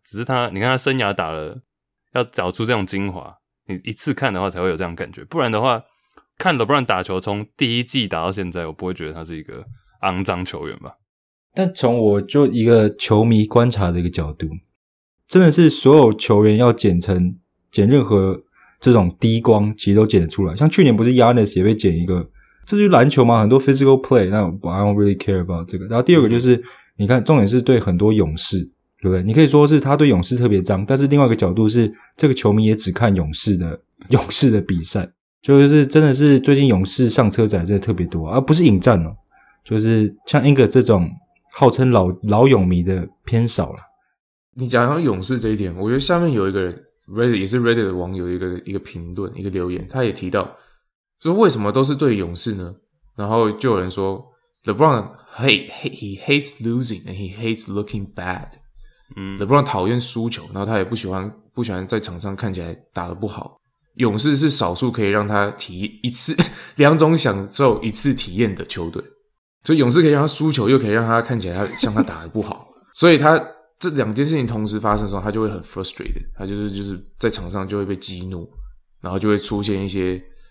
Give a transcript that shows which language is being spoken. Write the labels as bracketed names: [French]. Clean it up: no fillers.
[Chinese] 只是他，你看他生涯打了，要找出这种精华，你一次看的话才会有这样感觉。不然的话，看 LeBron 打球从第一季打到现在，我不会觉得他是一个肮脏球员吧？但从我就一个球迷观察的一个角度，真的是所有球员要剪任何这种低光，其实都剪得出来。像去年不是 Giannis 也被剪一个。这就是篮球嘛，很多 physical play，那 I don't really care about 这个。然后第二个就是，你看重点是对很多勇士，对不对？你可以说是他对勇士特别脏，但是另外一个角度是，这个球迷也只看勇士的比赛，就是真的是最近勇士上车仔真的特别多，而不是引战哦，就是像 Inger 这种号称老勇迷的偏少了。你讲到勇士这一点，我觉得下面有一个人 Reddit 也是 Reddit 的网友一个评论一个留言，他也提到。说为什么都是对勇士呢？ [English] 然后就有人说，LeBron he hates losing and he hates looking bad。 [Chinese] 嗯 ，LeBron 讨厌输球，然后他也不喜欢在场上看起来打得不好。勇士是少数可以让他体一次两种享受一次体验的球队，所以勇士可以让他输球，又可以让他看起来他像他打得不好，所以他这两件事情同时发生的时候，他就会很 frustrated， 他就是在场上就会被激怒，然后就会出现一些。